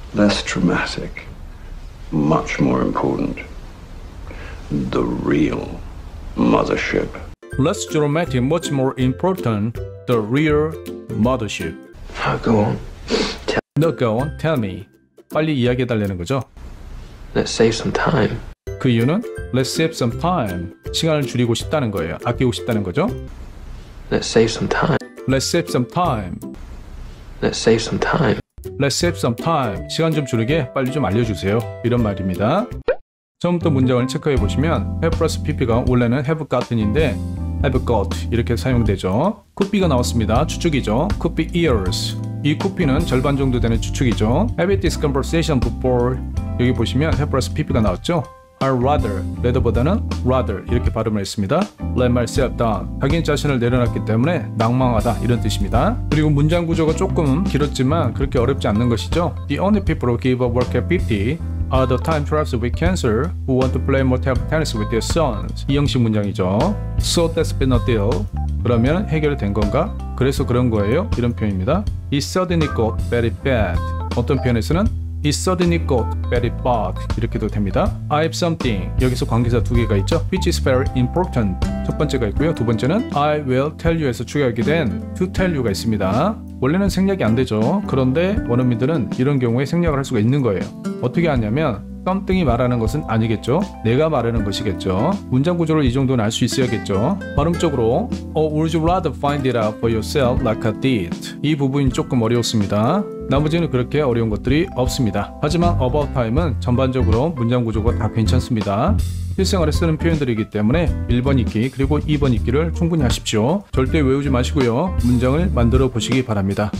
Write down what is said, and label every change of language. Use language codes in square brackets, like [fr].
[en] Less dramatic, much more important, the real mothership. Less dramatic, much more important, the real mothership. Now go on, tell me. No, go on, tell me. [ko] 빨리 이야기해달라는 거죠. [en] Let's save some time. [ko] 그 이유는? [en] Let's save some time. [ko] 시간을 줄이고 싶다는 거예요. 아끼고 싶다는 거죠. [en] Let's save some time. Let's save some time. Let's save some time. Let's save some time. [ko] 시간 좀 줄이게 빨리 좀 알려주세요. 이런 말입니다. 처음부터 문장을 체크해 보시면 have plus pp가 원래는 have gotten인데 have got 이렇게 사용되죠. could be가 나왔습니다. 추측이죠. [en] could be years. [ko] 이 could be는 절반 정도 되는 추측이죠. [en] have this conversation before. [ko] 여기 보시면 have plus pp가 나왔죠. [en] I'd rather. [ko] rather보다는 rather 이렇게 발음을 했습니다. [en] Let myself down. [ko] 자기 자신을 내려놨기 때문에 낭망하다 이런 뜻입니다. 그리고 문장 구조가 조금 길었지만 그렇게 어렵지 않는 것이죠. [en] The only people who give up work at 50 are the time traps with cancer who want to play more table tennis with their sons. [ko] 이 형식 문장이죠. [en] So that's been a deal. [ko] 그러면 해결된 건가? 그래서 그런 거예요? 이런 표현입니다. [en] It suddenly got very bad. [ko] 어떤 표현에서는 [en] It suddenly got very bad. [ko] 이렇게도 됩니다. [en] I have something. [ko] 여기서 관계사 두 개가 있죠. [en] Which is very important. [ko] 첫 번째가 있고요. [en] 두 번째는 I will tell you에서 추가하게 된 to tell you가 있습니다. [ko] 원래는 생략이 안 되죠. 그런데 원어민들은 이런 경우에 생략을 할 수가 있는 거예요. 어떻게 하냐면 something이 말하는 것은 아니겠죠. 내가 말하는 것이겠죠. 문장 구조를 이 정도는 알 수 있어야겠죠. 발음적으로 [en] Oh, would you rather find it out for yourself like I did. [ko] 이 부분이 조금 어려웠습니다. 나머지는 그렇게 어려운 것들이 없습니다. 하지만 about time은 전반적으로 문장 구조가 다 괜찮습니다. 실생활에 쓰는 표현들이기 때문에 1번 읽기 그리고 2번 읽기를 충분히 하십시오. 절대 외우지 마시고요. 문장을 만들어 보시기 바랍니다.